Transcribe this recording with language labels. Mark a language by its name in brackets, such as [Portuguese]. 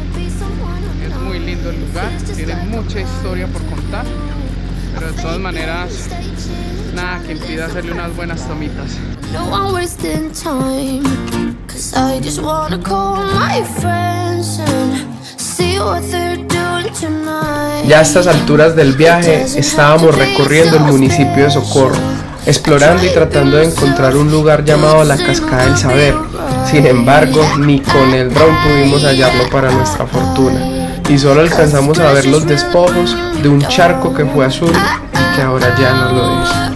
[Spanish] Es muy lindo el lugar, tiene mucha historia por contar, pero de todas maneras, nada que impida hacerle unas buenas tomitas. [English] No, I'm wasting time, 'cause I just wanna call my friends and see what they're doing tonight. [Spanish] Ya a estas alturas del viaje estábamos recorriendo el municipio de Socorro, explorando y tratando de encontrar un lugar llamado la Cascada del Saber. Sin embargo, ni con el dron pudimos hallarlo para nuestra fortuna, y solo alcanzamos a ver los despojos de un charco que fue azul y que ahora ya no lo es.